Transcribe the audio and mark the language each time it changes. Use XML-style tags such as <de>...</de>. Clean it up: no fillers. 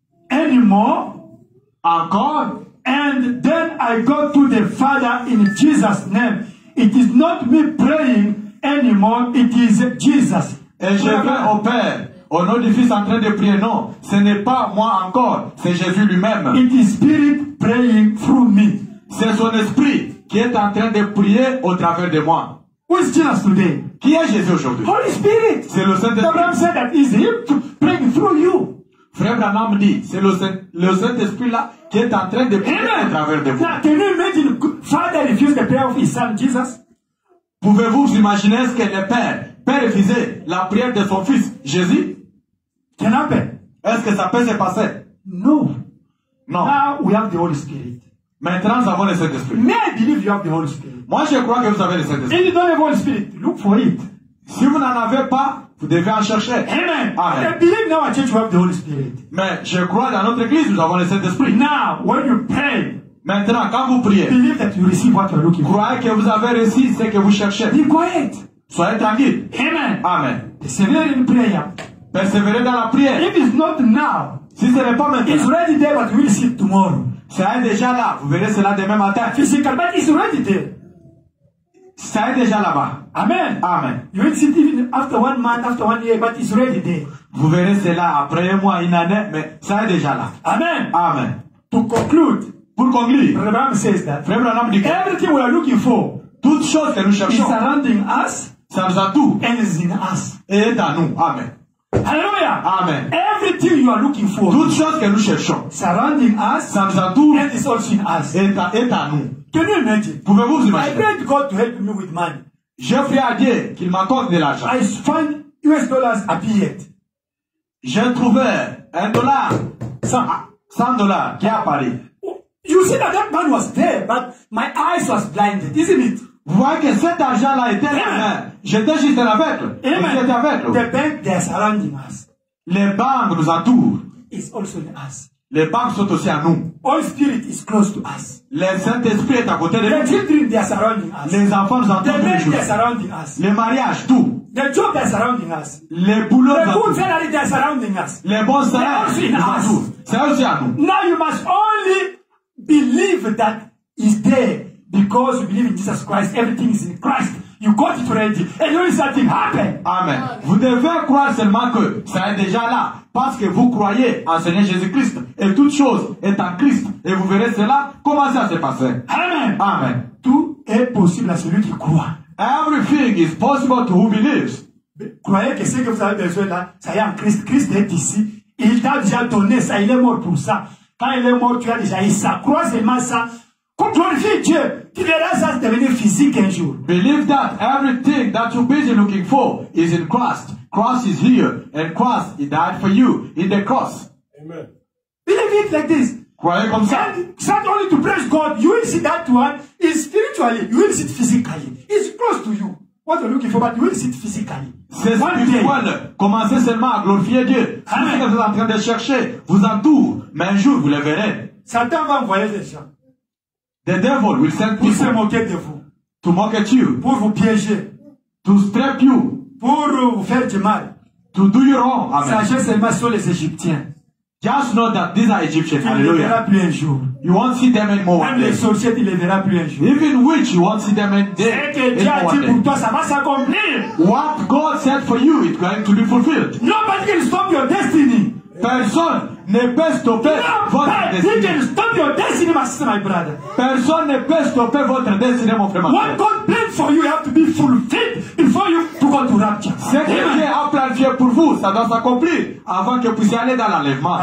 <en>Anymore,</en> <fr>encore.</fr> <en>And then I go to the Father in Jesus' name. It is not me praying anymore. It is Jesus.</en> <fr>Et je vais au Père, au nom du Fils en train de prier. Non, ce n'est pas moi encore. C'est Jésus lui-même.</fr> <en>It is Spirit praying through me.</en> <fr>C'est son esprit qui est en train de prier au travers de moi.</fr> <en>Who is Jesus today?</en> <fr>Qui est Jésus aujourd'hui?</fr> <en>Holy Spirit.</en> <fr>C'est le Saint-Esprit.</fr> <en>Abraham said that is him praying through you.</en> <fr>Frère Branham dit, c'est le Saint-Esprit là qui est en train de prier à travers de vous.</fr> <en>Now, can you imagine Father refused the prayer of his son Jesus?</en> <fr>Pouvez-vous imaginer ce que le Père refusait la prière de son fils Jésus?</fr> <en>Can happen?</en> <fr>Est-ce que ça peut se passer?</fr> <en>No.</en> <fr>Non.</fr> <en>Now we have the Holy Spirit.</en> <fr>Maintenant, nous avons le Saint-Esprit.</fr> <en>May I believe you have the Holy Spirit?</en> <fr>Moi, je crois que vous avez le Saint-Esprit.</fr> <en>If you don't have the Holy Spirit, look for it.</en> <fr>Si vous n'en avez pas, vous devez en chercher.</fr> <en>Amen. Amen. I believe now our church we have the Holy Spirit.</en> <fr>Mais je crois dans notre église nous avons le Saint-Esprit.</fr> <en>Now, when you pray,</en> <fr>maintenant, quand vous priez,</fr> <en>believe that you receive what you are looking for.</en> <fr>Croyez que vous avez reçu ce que vous cherchez.</fr> <en>Be quiet.</en> <fr>Soyez tranquille.</fr> <en>Amen. Amen. Persevere in prayer.</en> <fr>Persévérez dans la prière.</fr> <en>If it's not now,</en> <fr>si ce n'est pas maintenant,</fr> <en>it's already there, but we'll see it tomorrow.</en> <fr>Ça est déjà là. Vous verrez cela demain matin.</fr> <en>Physical, but it's already there.</en> <fr>Ça est déjà là-bas.</fr> <en>Amen. Amen. You will see it even after 1 month, after 1 year, but it's ready there.</en> <fr>Vous verrez cela après un mois, une année, mais ça est déjà là.</fr> <en>Amen. Amen. To conclude,</en> <fr>pour conclure,</fr> <en>Abraham says that.</en> <fr>Frère Branham dit,</fr> <en>everything we are looking for,</en> <fr>toutes choses que nous cherchons,</fr> <en>is surrounding us,</en> <fr>ça nous a tout,</fr> <en>and is in us,</en> <fr>et est en nous. Amen.</fr> <en>Hallelujah. Amen. Everything you are looking for.</en> <fr>Toute chose que nous cherchons.</fr> <en>Surrounding us.</en> <fr>Ça nous entoure.</fr> <en>And is also in us.</en> <fr>Est à nous.</fr> <en>Can you imagine?</en> <fr>Pouvez-vous vous imaginer?</fr> <en>I prayed God to help me with money.</en> <fr>Je prie à Dieu qu'il m'accorde de l'argent.</fr> <en>I found US dollars a billet.</en> <fr>J'ai trouvé un dollar. 100 dollars qui est à Paris.</fr> <en>You see that that man was there, but my eyes was blinded, isn't it?</en> <fr>Vous voyez que cet argent-là était là. J'étais juste en avec. J'étais avec.</fr> <en>The bank, they are surrounding us.</en> <fr>Les banques nous entourent.</fr> <en>It's also in us.</en> <fr>Les banques sont aussi à nous.</fr> <en>All spirit is close to us.</en> <fr>Le Saint-Esprit est à côté de nous.</fr> <en>The children, they are surrounding us.</en> <fr>Les enfants nous entourent.</fr> <en>The bank, they are surrounding us.</en> <fr>Les mariages, tout.</fr> <en>The job, they are surrounding us.</en> <fr>Les boulots.</fr> <en>The good salary, they are surrounding us.</en> <fr>Les bons salaires.</fr> <en>They are also in us.</en> <fr>C'est aussi à nous.</fr> <en>Now you must only believe that is there. Because you believe in Jesus Christ, everything is in Christ. You got it ready, and only something happened. Amen.</en> <fr>Vous devez croire seulement que ça est déjà là, parce que vous croyez en Seigneur Jésus Christ, et toute chose est en Christ, et vous verrez cela commencer à se passer. Amen. Amen. Tout est possible à celui qui croit.</fr> <en>Everything is possible to who believes.</en> <fr>Croyez que ce que vous avez besoin là, ça est en Christ. Christ est ici. Il t'a déjà donné ça. Il est mort pour ça. Quand il est mort, tu as déjà eu ça. Crois seulement ça. Glorifie Dieu, tu verras ça devenir physique un jour.</fr> <en>Believe that everything that you're busy looking for is in Christ. Christ is here, and Christ he died for you in the cross. Amen. Believe it like this. Croyez comme ça. And start only to praise God. You will see that one is spiritually. You will see it physically. It's close to you. What you're looking for, but you will see it physically.</en> <fr>C'est spirituel. Commencez seulement à glorifier Dieu. Ce que vous êtes en train de chercher vous entoure, mais un jour vous le verrez. Satan va envoyer des gens.</fr> <en>The devil will send</en> <fr>pour se moquer de vous.</fr> <en>To mock at you.</en> <fr>Pour vous piéger.</fr> <en>To strip you.</en> <fr>Pour vous faire du mal.</fr> <en>To do you wrong. Amen.</en> <fr>Sachez seulement sur les Égyptiens.</fr> <en>Just know that these are Egyptians.</en> <fr>Tu Hallelujah. Ne les verras plus un jour.</fr> <en>You won't see them anymore.</en> <fr>Même les sorciers, tu ne les verras plus un jour.</fr> <en>Even witch, you won't see them in day.</en> <fr>Ce que Dieu a dit pour toi, ça va s'accomplir.</fr> <en>What God said for you, it's going to be fulfilled. Nobody can stop your destiny.</en> <fr>Personne ne peut stopper votre destinée.</fr> <en>He can stop your destiny, my sister, my brother.</en> <fr>Personne ne peut stopper votre destinée, mon frère.</fr> <en>What God planned for you, you have to be fulfilled before you to go to rapture.</en> <fr>Ce que Dieu a planifié pour vous, ça doit s'accomplir avant que vous puissiez aller dans l'enlèvement.</fr>